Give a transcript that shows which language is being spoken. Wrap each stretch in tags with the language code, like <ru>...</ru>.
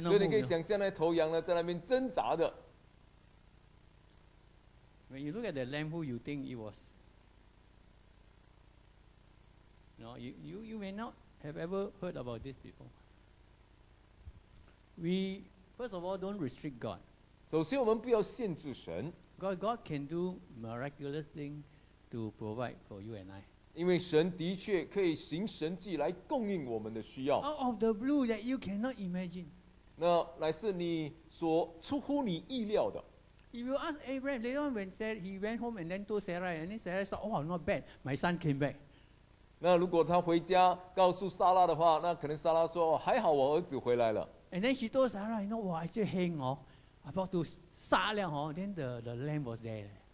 <zh>所以你可以想象那头羊呢在那边挣扎的.</zh> <en>When you look at the lamb, who you think it was? No, you may not have ever heard about this before. We, first of all, don't restrict God.</en> <zh>首先我们不要限制神.</zh> <en>God can do miraculous things to provide for you and I.</en> <zh>因为神的确可以行神迹来供应我们的需要.</zh> <en>Out of the blue that you cannot imagine.</en> <zh>那乃是你所出乎你意料的.</zh> <en>If you ask Abraham, later on when Sarah, he went home and then told Sarah, and then Sarah said, "Oh, not bad, my son came back."</en> <zh>那如果他回家告诉莎拉的话，那可能莎拉说：“还好我儿子回来了。”</zh> <en>And then she told Sarah, "You know, wow, I just hang on, about to</en> <zh>杀了</zh> <en>oh, then the lamb was there."</en>